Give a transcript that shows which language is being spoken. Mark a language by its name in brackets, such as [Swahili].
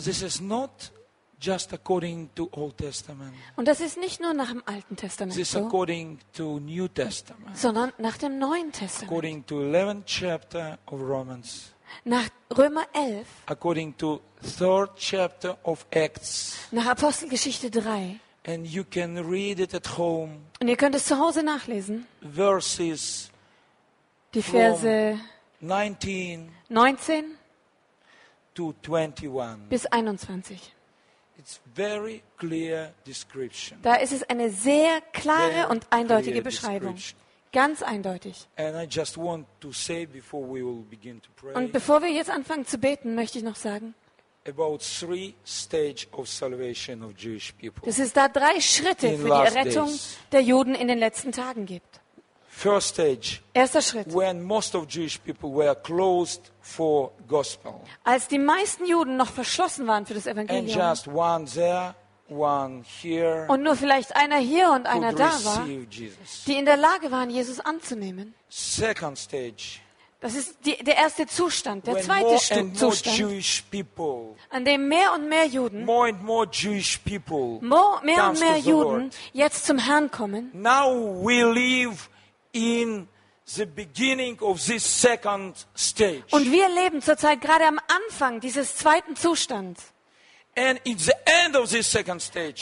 [English] This is not just according to Old Testament. [German] Und das ist nicht nur nach dem Alten Testament. [English] This [German] so, [English] according to New Testament. [German] Sondern nach dem Neuen Testament. [English] According to 11th chapter of Romans. [German] Nach Römer 11. [English] According to 3rd chapter of Acts. [German] Nach Apostelgeschichte 3. [English] And you can read it at home. [German] Und ihr könnt es zu Hause nachlesen. [English] Verses. [German] Die Verse [English] from 19 to 21. [German] Bis 21. [English] It's very clear description. [German] Da ist es eine sehr klare und eindeutige Beschreibung. Ganz eindeutig. [English] And I just want to say before we will begin to pray. [German] Und bevor wir jetzt anfangen zu beten, möchte ich noch sagen, [English] about three stages of salvation of Jewish people. [German] Das ist da drei Schritte für die Errettung der Juden in den letzten Tagen gibt. [English] First stage. [German] Erster Schritt. [English] When most of Jewish people were closed for gospel. [German] Als die meisten Juden noch verschlossen waren für das Evangelium. [English] And just one there, one here. [German] Und nur vielleicht einer hier und einer da war. Die in der Lage waren, Jesus anzunehmen. [English] Second stage. [German] Das ist der erste Zustand, der zweite Zustand, an dem mehr und mehr Juden, mehr und mehr Juden jetzt zum Herrn kommen. [English] Now we live in the beginning of this second stage. [German] Und wir leben zurzeit gerade am Anfang dieses zweiten Zustands. [English] And in the end of this second stage.